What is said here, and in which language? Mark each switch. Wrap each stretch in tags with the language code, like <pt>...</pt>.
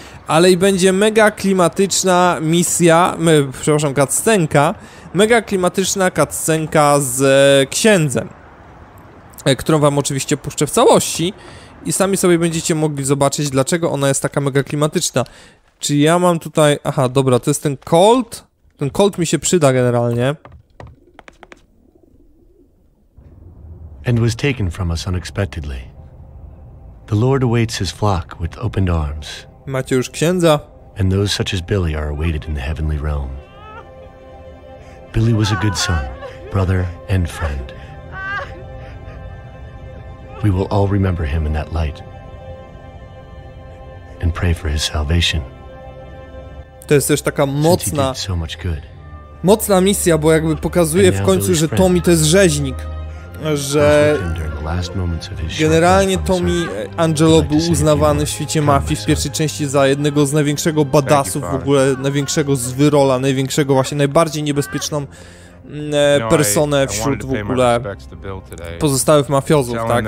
<pl>ale i będzie mega klimatyczna misja, przepraszam, cutscenka, mega klimatyczna cutscenka z księdzem, którą wam oczywiście puszczę w całości i sami sobie będziecie mogli zobaczyć, dlaczego ona jest taka mega klimatyczna. Czy ja mam tutaj, aha, dobra, to jest ten Colt. Ten Colt mi się przyda generalnie.</pl> <en>And was taken from us unexpectedly. The Lord awaits his flock with opened arms.</en> <pl>Macie już księdza.</pl> <en>And those such as Billy are awaited in the heavenly realm. Billy was a good son, brother and friend. We will all remember him in that light. And pray for his salvation.</en> <pl>To jest też taka mocna, mocna misja, bo jakby pokazuje w końcu, że Tommy to jest rzeźnik. Że generalnie Tommy Angelo był uznawany w świecie mafii w pierwszej części za jednego z największego badassów w ogóle, największego z wyrola, największego właśnie, najbardziej niebezpieczną personę wśród w ogóle pozostałych mafiozów, tak?</pl>